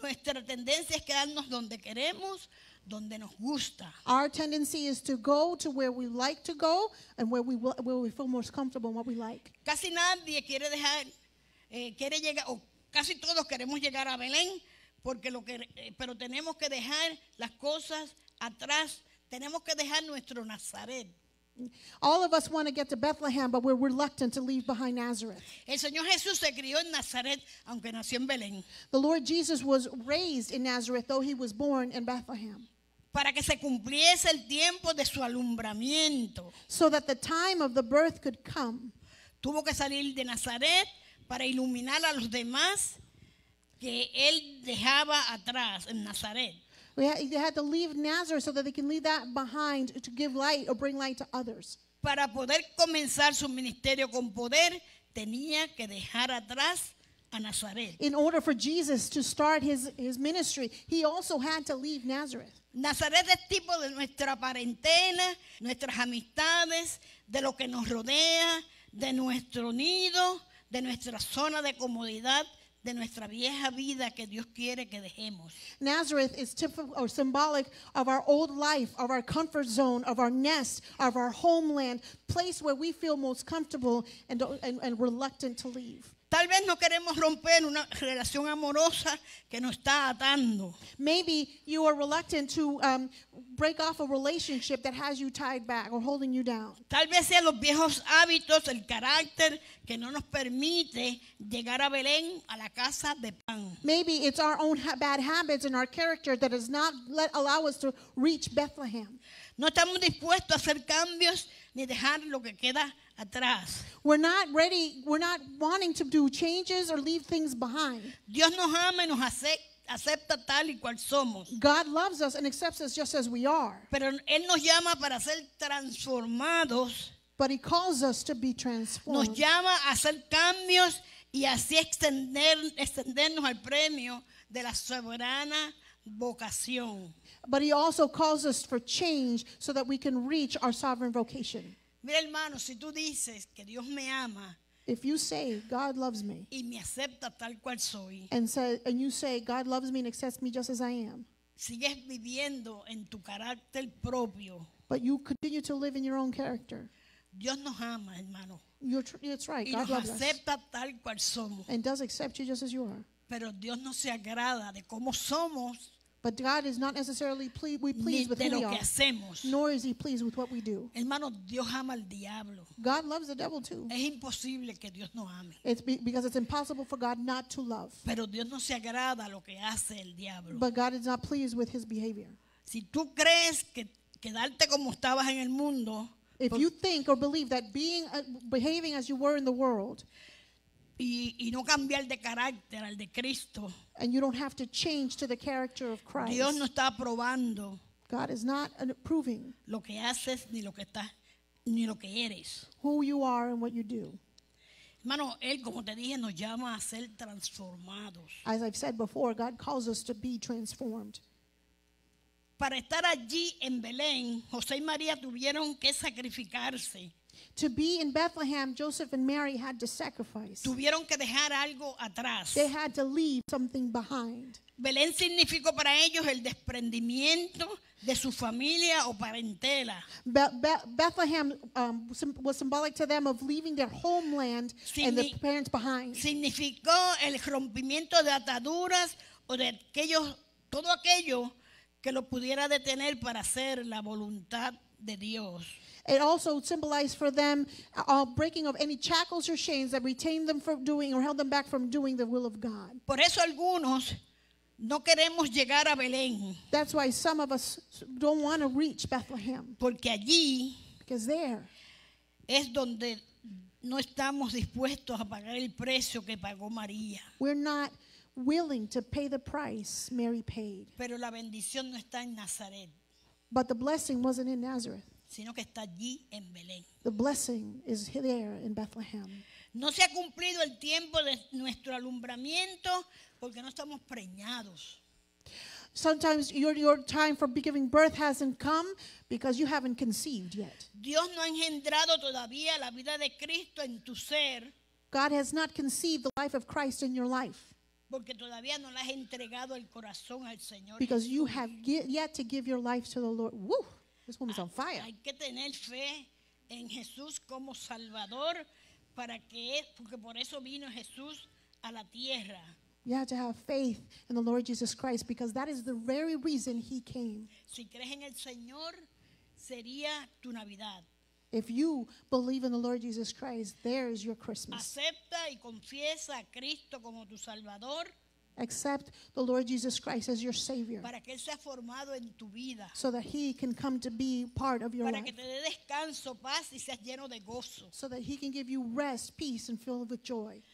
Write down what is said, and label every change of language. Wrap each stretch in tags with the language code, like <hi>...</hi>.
<es>Nuestra tendencia es quedarnos donde queremos, donde nos gusta.</es> <en>Our tendency is to go to where we like to go and where we feel most comfortable in what we like.</en> <es>Casi nadie quiere dejar quiere llegar o casi todos queremos llegar a Belén porque lo que pero tenemos que dejar las cosas atrás. Tenemos que dejar nuestro Nazaret.</es> <en>All of us want to get to Bethlehem, but we're reluctant to leave behind Nazareth.</en> <es>El Señor Jesús se crió en Nazaret, aunque nació en Belén.</es> <en>The Lord Jesus was raised in Nazareth, though he was born in Bethlehem.</en> <es>Para que se cumpliese el tiempo de su alumbramiento.</es> <en>So that the time of the birth could come.</en> <es>Tuvo que salir de Nazaret para iluminar a los demás que él dejaba atrás en Nazaret.</es> <en>They had to leave Nazareth so that they can leave that behind to give light or bring light to others.</en> <es>Para poder comenzar su ministerio con poder, tenía que dejar atrás a Nazaret.</es> <en>In order for Jesus to start his ministry, he also had to leave Nazareth.</en> <es>Nazaret es tipo de nuestra parentela, nuestras amistades, de lo que nos rodea, de nuestro nido, de nuestra zona de comodidad, de nuestra vieja vida que Dios quiere que dejemos.</es> <en>Nazareth is typical or symbolic of our old life, of our comfort zone, of our nest, of our homeland, place where we feel most comfortable and reluctant to leave.</en> <es>Tal vez no queremos romper una relación amorosa que nos está atando.</es> <en>Maybe you are reluctant to break off a relationship that has you tied back or holding you down.</en> <es>Tal vez sean los viejos hábitos, el carácter que no nos permite llegar a Belén, a la casa de pan.</es> <en>Maybe it's our own bad habits and our character that does not allow us to reach Bethlehem.</en> <es>No estamos dispuestos a hacer cambios ni dejar lo que queda atrás.</es> <en>We're not ready, we're not wanting to do changes or leave things behind.</en> <es>Dios nos ama y nos acepta tal y cual somos.</es> <en>God loves us and accepts us just as we are.</en> <es>Pero Él nos llama para ser transformados.</es> <en>But He calls us to be transformed.</en> <es>Nos llama a hacer cambios y así extendernos al premio de la soberana vocación.</es> <en>But He also calls us for change so that we can reach our sovereign vocation.</en> <es>Mira, hermano, si tú dices que Dios me ama,</es> <en>if you say God loves me,</en> <es>y me acepta tal cual soy,</es> <en>and you say God loves me and accepts me just as I am,</en> <es>sigues viviendo en tu carácter propio,</es> <en>but you continue to live in your own character.</en> <es>Dios nos ama, hermano.</es> <en>It's right. God loves us.</en> <es>Y nos acepta tal cual somos.</es> <en>And does accept you just as you are.</en> <es>Pero Dios no se agrada de cómo somos.</es> <en>But God is not necessarily pleased with who we are,</en> <es>hacemos.</es> <en>Nor is He pleased with what we do.</en> <es>Hermano, Dios ama al diablo.</es> <en>God loves the devil too.</en> <es>Es imposible que Dios no ame.</es> <en>It's because it's impossible for God not to love.</en> <es>Pero Dios no se agrada lo que hace el diablo.</es> <en>But God is not pleased with his behavior.</en> <es>Si tú crees que quedarte como estabas en el mundo,</es> <en>if you think or believe that being behaving as you were in the world,</en> <es>y no cambiar de carácter al de Cristo,</es> <en>and you don't have to change to the character of Christ,</en> <es>Dios no está probando,</es> <en>God is not approving</en> <es>lo que haces ni lo que estás ni lo que eres,</es> <en>who you are and what you do.</en> <es>Hermano, Él, como te dije, nos llama a ser transformados.</es> <en>As I've said before, God calls us to be transformed.</en> <es>Para estar allí en Belén, José y María tuvieron que sacrificarse.</es> <en>To be in Bethlehem, Joseph and Mary had to sacrifice.</en> <es>Tuvieron que dejar algo atrás.</es> <en>They had to leave something behind.</en> <es>Belén significó para ellos el desprendimiento de su familia o parentela.</es> <en>Bethlehem was symbolic to them of leaving their homeland and their parents behind.</en> <es>Significó el rompimiento de ataduras o de aquellos, todo aquello que lo pudiera detener para hacer la voluntad de Dios.</es> <en>It also symbolized for them a breaking of any shackles or chains that retained them from doing or held them back from doing the will of God.</en> <es>Por eso algunos no queremos llegar a Belén.</es> <en>That's why some of us don't want to reach Bethlehem.</en> <es>Porque allí,</es> <en>because there</en> <es>es donde no estamos dispuestos a pagar el precio que pagó María.</es> <en>We're not willing to pay the price Mary paid.</en> <es>Pero la bendición no está en Nazaret.</es> <en>But the blessing wasn't in Nazareth.</en> <es>Sino que está allí en Belén.</es> <en>The blessing is there in Bethlehem.</en> <es>No se ha cumplido el tiempo de nuestro alumbramiento porque no estamos preñados.</es> <en>Sometimes your time for giving birth hasn't come because you haven't conceived yet.</en> <es>Dios no ha engendrado todavía la vida de Cristo en tu ser.</es> <en>God has not conceived the life of Christ in your life.</en> <es>Porque todavía no le has entregado el corazón al Señor.</es> <en>Because you have yet to give your life to the Lord. Woo! This woman's on fire.</en> <es>Hay que tener fe en Jesús como Salvador para que, porque por eso vino Jesús a la tierra.</es> <en>You have to have faith in the Lord Jesus Christ because that is the very reason He came.</en> <es>Si crees en el Señor, sería tu Navidad.</es> <en>If you believe in the Lord Jesus Christ, there is your Christmas.</en> <es>Acepta y confiesa a Cristo como tu Salvador.</es> <en>Accept the Lord Jesus Christ as your Savior.</en> <es>Para que Él sea formado en tu vida.</es> <en>So that He can come to be part of your</en> <es>para</es> <en>life.</en> <es>Que te dé descanso, paz y seas lleno de gozo.</es> <en>So that He can give you rest, peace, and filled with joy.</en>